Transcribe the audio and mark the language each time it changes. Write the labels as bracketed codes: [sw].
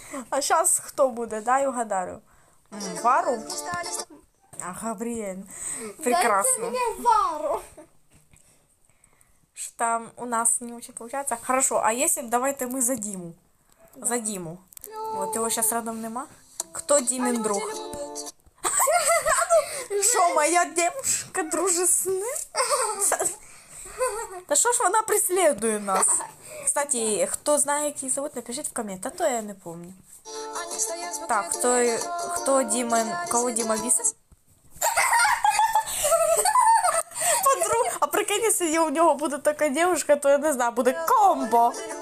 [ru] А сейчас кто будет? Дай угадаю. Вару? А, Габриэль. Прекрасно. Дайте мне вару. Что там у нас не очень получается. Хорошо, а если давайте мы за Диму? Да. За Диму. Ну... Вот его сейчас рядом нема. Кто Димин друг? [uk] Що, моя дівчинка дружить з ним? Та що ж вона преслідує нас? Кстати, хто знає, який зовут, напишіть в комент, а то я не пам'ятаю. Так, хто Діма, кого Діма бісить? [ru] день, если у него будет такая девушка, то я не знаю, будет комбо.